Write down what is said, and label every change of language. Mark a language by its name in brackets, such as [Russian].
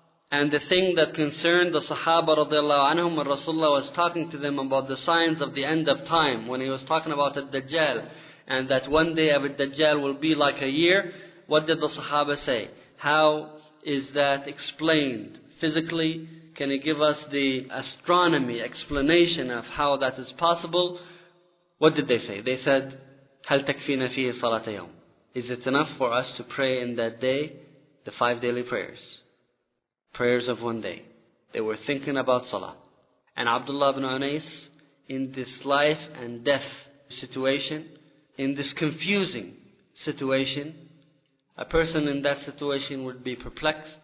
[English] And the thing that concerned the Sahaba radiallahu anhum when Rasulullah was talking to them about the signs of the end of time, when he was talking about the Dajjal, and that one day of a Dajjal will be like a year, what did the Sahaba say? How is that explained physically? Can you give us the astronomy explanation of how that is possible? What did they say? They said, [Arabic] هَلْ تَكْفِينَ فِيهِ صَلَاتَ يَوْمٍ. [English] Is it enough for us to pray in that day? The five daily prayers. Prayers of one day. They were thinking about salah. And Abdullah ibn Unais, in this life and death situation, in this confusing situation, a person in that situation would be perplexed.